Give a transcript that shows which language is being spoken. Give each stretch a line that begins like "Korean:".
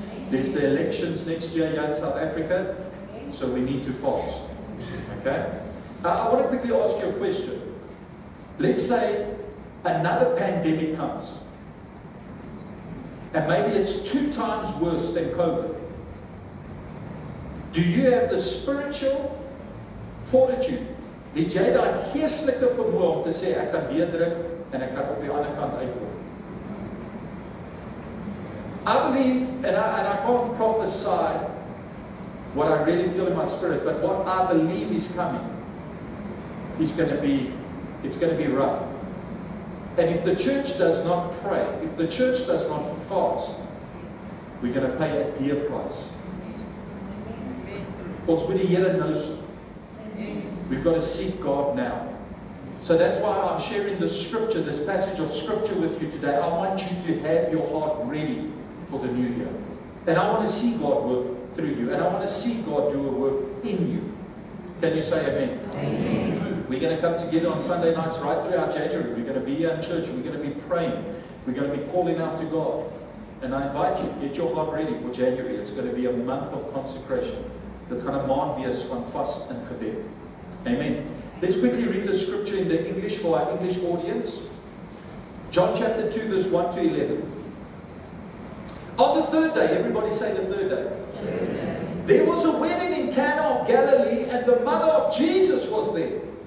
English: There's the elections next year here in South Africa, so we need to fast. Okay? I want to quickly ask you a question. Let's say another pandemic comes, and maybe it's 2 times worse than COVID. Do you have the spiritual fortitude,
Afrikaans: die jy daai geestelike vermoë om te sê ek kan deurdruk en ek kan op die ander kant uitkom?
English: I believe, and I can't prophesy what I really feel in my spirit, but what I believe is coming, it's going to be rough. And if the church does not pray, if the church does not fast, we're going to pay a dear price.
Afrikaans: Ons moet die Here nou.
English: We've got to seek God now. So that's why I'm sharing the scripture, this passage of scripture with you today. I want you to have your heart ready for the new year. And I want to see God work through you. And I want to see God do a work in you. Can you say amen? Amen. We're going to come together on Sunday nights right throughout January. We're going to be here in church. We're going to be praying. We're going to be calling out to God. And I invite you, get your heart ready for January. It's going to be a month of consecration.
Afrikaans: Dit gaan 'n maand wees van vas en gebed.
English: Amen. Let's quickly read the scripture in the English for our English audience. John chapter 2, verse 1 to 11. On the third day, everybody say the third day. Amen. There was a wedding in Cana of Galilee, and the mother of Jesus was there.